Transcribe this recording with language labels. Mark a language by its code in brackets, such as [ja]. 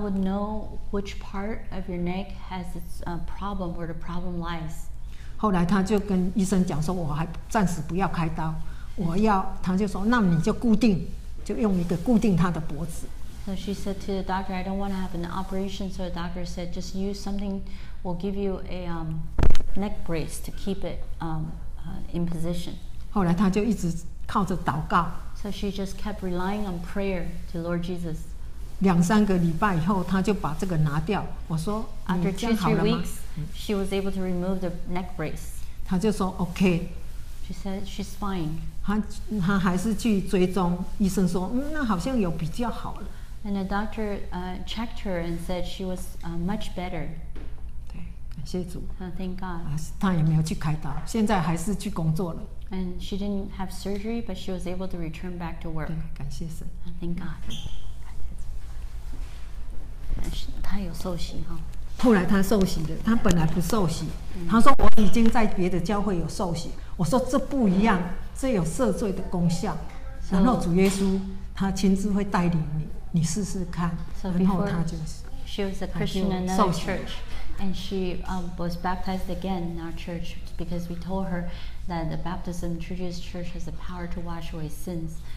[en] God would know which part of your neck has its problem, where the problem lies. [zh] 后来他就跟医生讲说，我还暂时不要开刀，我要，他就说，那你就固定，就用一个固定他的脖子。 [en] So she said to the doctor, I don't want to have an operation. So the doctor said, just use something, we'll give you a neck brace to keep it in position. [zh] 后来她就一直靠着祷告。 [en] So she just kept relying on prayer to Lord Jesus. [zh] 两三个礼拜以后，她就把这个拿掉。我说， [en] After 2-3 weeks, she was able to remove the neck brace. [zh] 她就说 OK. [en] She said, she's fine. [zh] 她还是去追踪，医生说，嗯，那好像有比较好了。 [en] And the doctor checked her and said she was much better. [zh] 对，感谢主。 [en] Thank God. [zh] 她也没有去开刀，现在还是去工作了。 [en] And she didn't have surgery, but she was able to return back to work. [zh] 对，感谢神。 [en] Thank God. [zh] 她有受洗哈。后来她受洗了，她本来不受洗。她说我已经在别的教会有受洗。我说这不一样，这有赦罪的功效。然后主耶稣他亲自会带领你。你试试看， [en] so、 [zh] 然后他就 [en] 是 she was a Christian in another church, and she was baptized again in our church because we told her that the baptism introduced church has the power to wash away sins.